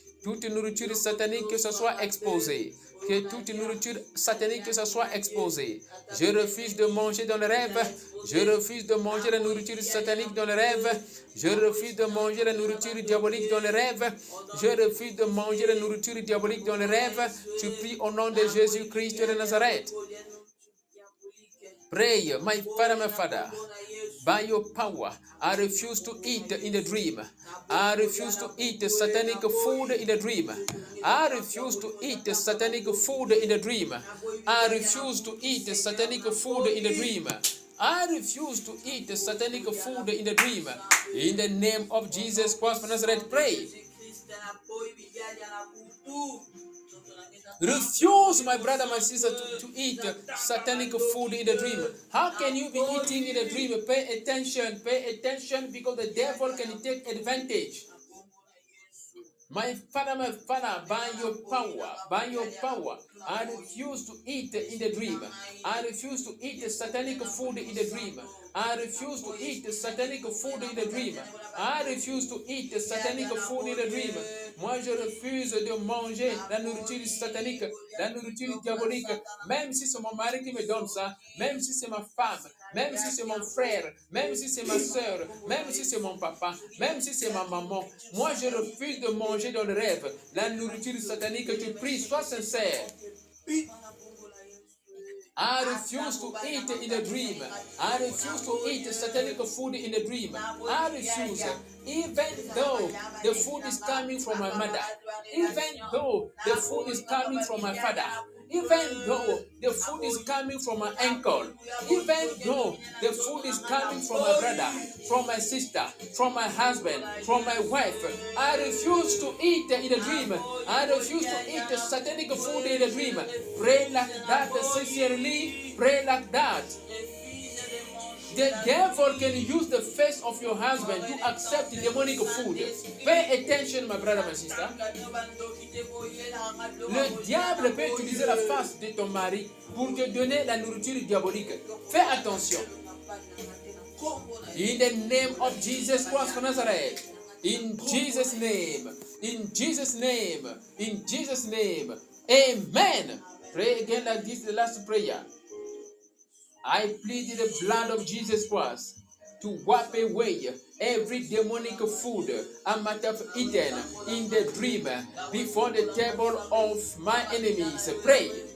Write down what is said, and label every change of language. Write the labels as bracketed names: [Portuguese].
[French] Toute nourriture satanique, que ce soit exposée. Que toute nourriture satanique, que ce soit exposée. Je refuse de manger dans le rêve. Je refuse de manger la nourriture satanique dans le rêve. Je refuse de manger la nourriture diabolique dans le rêve. Je refuse de manger la nourriture diabolique dans le rêve. Tu pries au nom de Jésus-Christ de Nazareth. [English] Pray, my Father, by your power, I refuse to eat in the dream. I refuse to eat satanic food in the dream. I refuse to eat satanic food in the dream. I refuse to eat satanic food in the dream. I refuse to eat satanic food in the dream. In the name of Jesus Christ of Nazareth, pray. Refuse, my brother, my sister, to eat satanic food in the dream. How can you be eating in a dream? Pay attention, because the devil can take advantage. My father, by your power, I refuse to eat in the dream. I refuse to eat satanic food in the dream. I refuse to eat satanic food in the dream. I refuse to eat satanic food in the dream. [French] Moi, je refuse de manger la nourriture satanique, la nourriture diabolique, même si c'est mon mari qui me donne ça, même si c'est ma femme, même si c'est mon frère, même si c'est ma soeur, même si c'est mon papa, même si c'est ma maman. Moi, je refuse de manger dans le rêve la nourriture satanique. Tu pries, sois sincère. [English] I refuse to eat in the dream. I refuse to eat satanic food in the dream. I refuse, even though the food is coming from my mother, even though the food is coming from my father, even though the food is coming from my uncle, even though the food is coming from my brother, from my sister, from my husband, from my wife. I refuse to eat in a dream. I refuse to eat satanic food in a dream. Pray like that sincerely. Pray like that. The devil can use the face of your husband to accept demonic food. Pay attention, my brother, my sister. [French] Le diable peut utiliser la face de ton mari pour te donner la nourriture diabolique. Fais attention. [English] In the name of Jesus Christ of Nazareth. In Jesus' name. In Jesus' name. In Jesus' name. Amen. Pray again like this, the last prayer. I plead the blood of Jesus Christ to wipe away every demonic food I might have eaten in the dream before the table of my enemies. Pray.